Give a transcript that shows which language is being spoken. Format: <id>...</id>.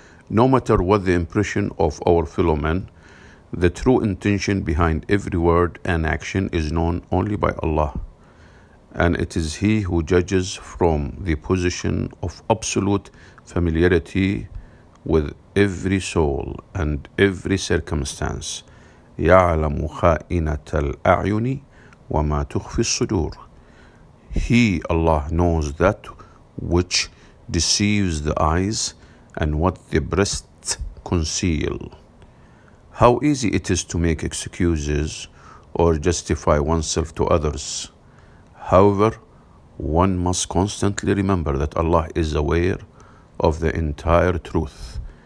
<en>No matter what the impression of our fellow men, the true intention behind every word and action is known only by Allah, and it is He who judges from the position of absolute familiarity with every soul and every circumstance.</en> <ar>يعلم خائنة الأعين وما تخفي الصدور.</ar> <en>He, Allah, knows that which deceives the eyes and what the breasts conceal. How easy it is to make excuses or justify oneself to others. However, one must constantly remember that Allah is aware of the entire truth.</en>